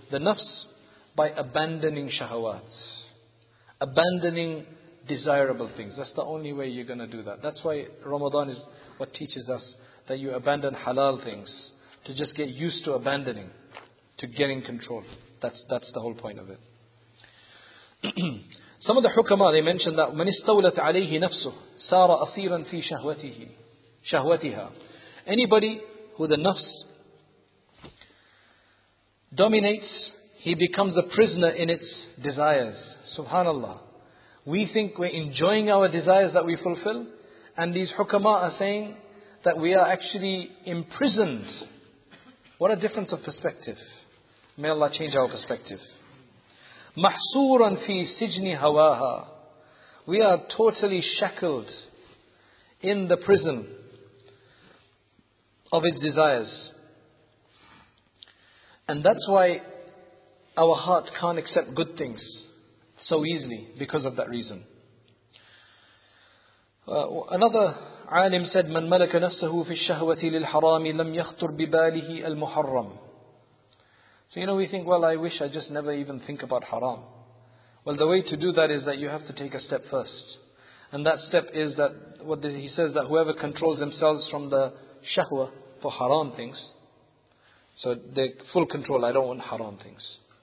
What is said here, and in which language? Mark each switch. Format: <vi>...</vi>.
<en>The nafs, by abandoning shahawat. Abandoning desirable things. That's the only way you're going to do that. That's why Ramadan is what teaches us that you abandon halal things. To just get used to abandoning. To getting control. That's the whole point of it. Some of the hukama, they mention that</en> <ar>مَنِ اسْتَوْلَتْ عَلَيْهِ نَفْسُهُ سَارَ أَصِيرًا فِي شَهْوَتِهِ شَهْوَتِهَا.</ar> <en>Anybody who the nafs dominates, he becomes a prisoner in its desires. Subhanallah. We think we're enjoying our desires that we fulfill, and these hukama are saying that we are actually imprisoned. What a difference of perspective. May Allah change our perspective.</en> <ar>Mahsuran fi sijni hawaha.</ar> <en>We are totally shackled in the prison of its desires. And that's why our heart can't accept good things so easily, because of that reason. Another alim said,</en> <ar>مَنْ مَلَكَ نَفْسَهُ فِي الشَّهْوَةِ لِلْحَرَامِ لَمْ يَخْطُرْ بِبَالِهِ الْمُحَرَّمِ.</ar> <en>So you know, we think, well, I wish I just never even think about haram. Well, the way to do that is that you have to take a step first. And that step is that, what he says, that whoever controls themselves from the shahwa for haram things, so the full control, I don't want haram things.</en>